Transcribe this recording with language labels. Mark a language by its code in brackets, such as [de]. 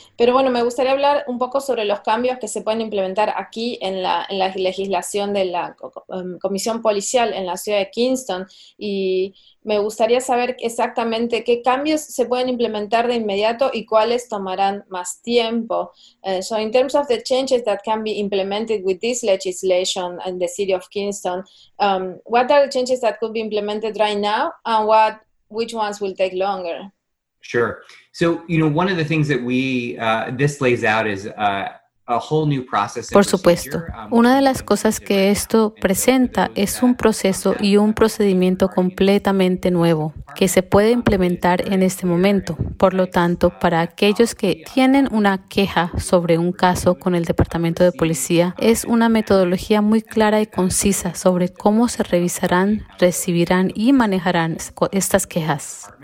[es] Pero bueno, me gustaría hablar un poco sobre los cambios que se pueden implementar aquí en la legislación de la Comisión Policial en la ciudad de Kingston. Y me gustaría saber exactamente qué cambios se pueden implementar de inmediato y cuáles tomarán más tiempo. [en] So in terms of the changes that can be implemented with this legislation in the city of Kingston, what are the changes that could be implemented right now and what which ones will take longer? Sure. So, you know, one of the things that we, this lays out is, a whole new process. [es] Por supuesto. Una de las cosas que esto presenta es un proceso y un procedimiento completamente nuevo que se puede implementar en este momento. Por lo tanto, para aquellos que tienen una queja sobre un caso con el Departamento de Policía, es una metodología muy clara y concisa sobre cómo se revisarán, recibirán y manejarán estas quejas.